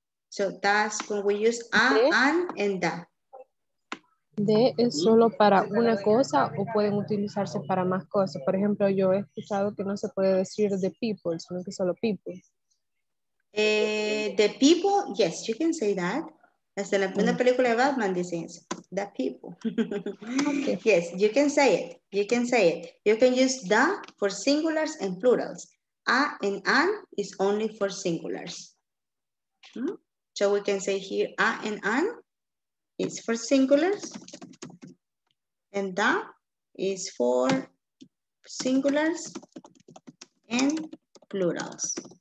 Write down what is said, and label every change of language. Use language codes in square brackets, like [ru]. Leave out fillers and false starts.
[en] So that's when we use a, an, and the. [es] ¿De es solo para una cosa o pueden utilizarse para más cosas? Por ejemplo, yo he escuchado que no se puede decir the people, sino que solo people. [en] The people, yes, you can say that. [es] Hasta la primera película de Batman dice eso. [en] The people. Okay. Yes, you can say it. You can say it. You can use the for singulars and plurals. A and an is only for singulars. So we can say here a and an. It's for singulars, and that is for singulars and plurals.